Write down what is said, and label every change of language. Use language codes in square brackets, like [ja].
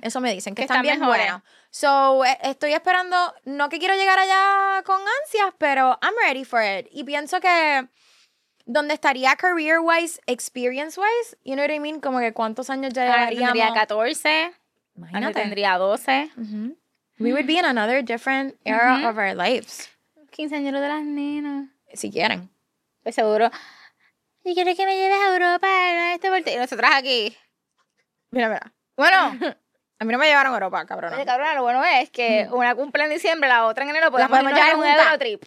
[es] Eso me dicen, que están bien mejor. Bueno. So, estoy esperando, no que quiero llegar allá con ansias, pero [en] I'm ready for it. [es] Y pienso que donde estaría [en] career-wise, experience-wise, you know what I mean? [es] Como que cuántos años ya llevaríamos. Tendría 14. Imagínate. Tendría 12. Uh-huh. [en] We would be in another different era uh-huh. of our lives. [es] Quinceañero de las nenas. Si quieren. Pues seguro. Si quieres que me lleves a Europa, a este partido. Y nosotras aquí. Mira. Bueno. A mí no me llevaron a Europa, cabrona. Oye, cabrona, lo bueno es que una cumple en diciembre, la otra en enero, podemos irnos en un Eurotrip.